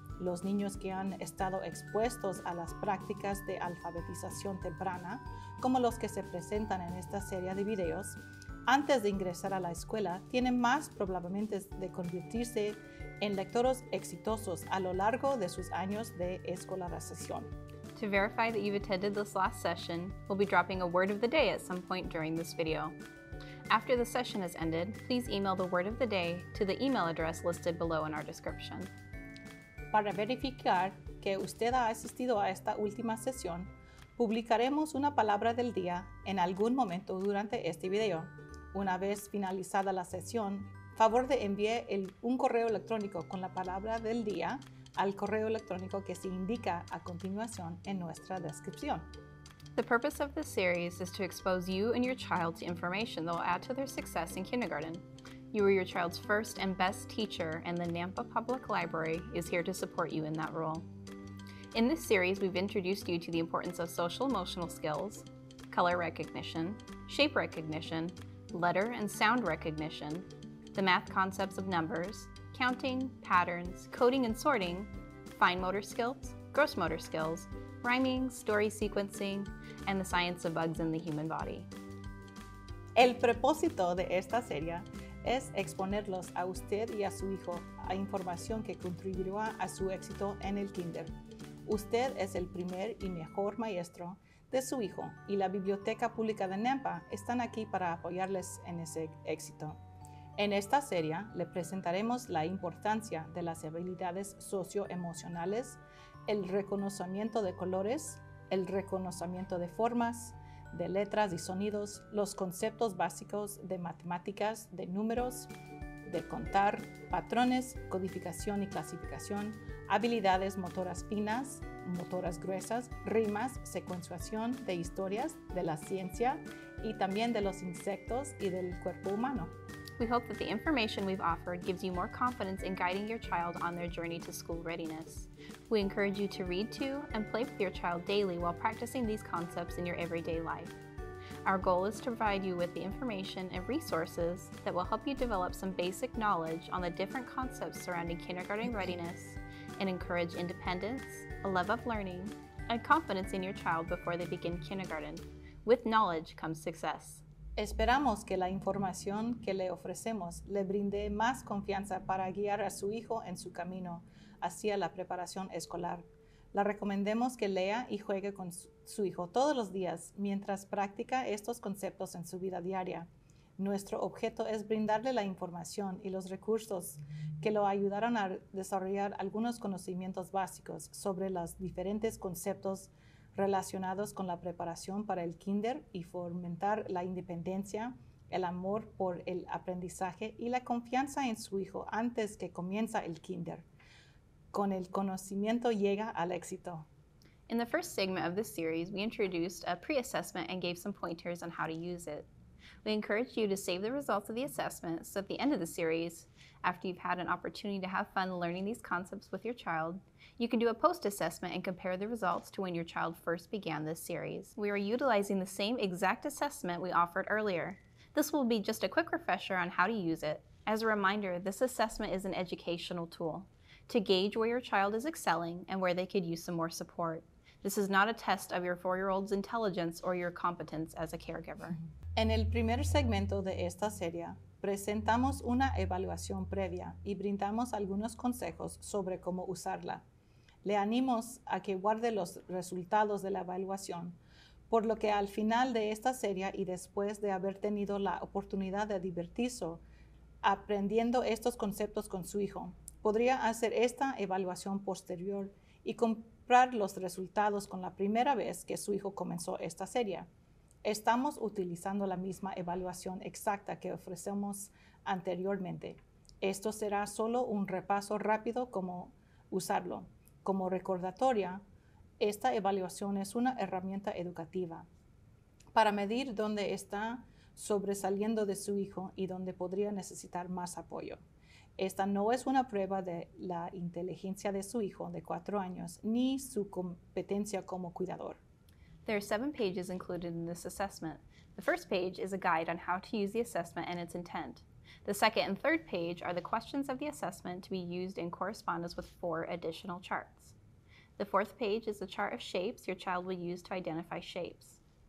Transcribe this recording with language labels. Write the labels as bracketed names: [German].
[Spanish] Los niños que han estado expuestos a las prácticas de alfabetización temprana, como los que se presentan en esta serie de videos, antes de ingresar a la escuela, tienen más probabilidades de convertirse en lectores exitosos a lo largo de sus años de escolarización. [English] To verify that you've attended this last session, we'll be dropping a word of the day at some point during this video. After the session has ended, please email the word of the day to the email address listed below in our description. [Spanish] Para verificar que usted ha asistido a esta última sesión, publicaremos una palabra del día en algún momento durante este video. Una vez finalizada la sesión, favor de envíe un correo electrónico con la palabra del día al correo electrónico que se indica a continuación en nuestra descripción. [English] The purpose of this series is to expose you and your child to information that will add to their success in kindergarten. You are your child's first and best teacher, and the Nampa Public Library is here to support you in that role. In this series, we've introduced you to the importance of social-emotional skills, color recognition, shape recognition, letter and sound recognition, the math concepts of numbers, counting, patterns, coding and sorting, fine motor skills, gross motor skills, rhyming, story sequencing, and the science of bugs in the human body. [Spanish] El propósito de esta serie es exponerlos a usted y a su hijo a información que contribuirá a su éxito en el kinder. Usted es el primer y mejor maestro de su hijo y la Biblioteca Pública de Nampa están aquí para apoyarles en ese éxito. En esta serie, le presentaremos la importancia de las habilidades socioemocionales, el reconocimiento de colores, el reconocimiento de formas, de letras y sonidos, los conceptos básicos de matemáticas, de números, de contar, patrones, codificación y clasificación, habilidades motoras finas, motoras gruesas, rimas, secuenciación de historias, de la ciencia, y también de los insectos y del cuerpo humano. [English] We hope that the information we've offered gives you more confidence in guiding your child on their journey to school readiness. We encourage you to read to and play with your child daily while practicing these concepts in your everyday life. Our goal is to provide you with the information and resources that will help you develop some basic knowledge on the different concepts surrounding kindergarten readiness and encourage independence, a love of learning, and confidence in your child before they begin kindergarten. With knowledge comes success. [Spanish] Esperamos que la información que le ofrecemos le brinde más confianza para guiar a su hijo en su camino hacia la preparación escolar. La recomendamos que lea y juegue con su hijo todos los días mientras practica estos conceptos en su vida diaria. Nuestro objeto es brindarle la información y los recursos que lo ayudaron a desarrollar algunos conocimientos básicos sobre los diferentes conceptos relacionados con la preparación para el kinder y fomentar la independencia, el amor por el aprendizaje y la confianza en su hijo antes que comienza el kinder. Con el conocimiento llega al éxito. [English] In the first segment of this series, we introduced a pre-assessment and gave some pointers on how to use it. We encourage you to save the results of the assessment so at the end of the series, after you've had an opportunity to have fun learning these concepts with your child, you can do a post-assessment and compare the results to when your child first began this series. We are utilizing the same exact assessment we offered earlier. This will be just a quick refresher on how to use it. As a reminder, this assessment is an educational tool to gauge where your child is excelling and where they could use some more support. This is not a test of your four-year-old's intelligence or your competence as a caregiver. [Spanish] En el primer segmento de esta serie, presentamos una evaluación previa y brindamos algunos consejos sobre cómo usarla. Le animamos a que guarde los resultados de la evaluación, por lo que al final de esta serie y después de haber tenido la oportunidad de divertirse aprendiendo estos conceptos con su hijo, podría hacer esta evaluación posterior y comparar los resultados con la primera vez que su hijo comenzó esta serie. Estamos utilizando la misma evaluación exacta que ofrecemos anteriormente. Esto será solo un repaso rápido cómo usarlo. Como recordatoria, esta evaluación es una herramienta educativa para medir dónde está sobresaliendo de su hijo y dónde podría necesitar más apoyo. Esta no es una prueba de la inteligencia de su hijo de 4 años ni su competencia como cuidador. [English] There are 7 pages included in this assessment. The first page is a guide on how to use the assessment and its intent. The second and third page are the questions of the assessment to be used in correspondence with 4 additional charts. The fourth page is a chart of shapes your child will use to identify shapes.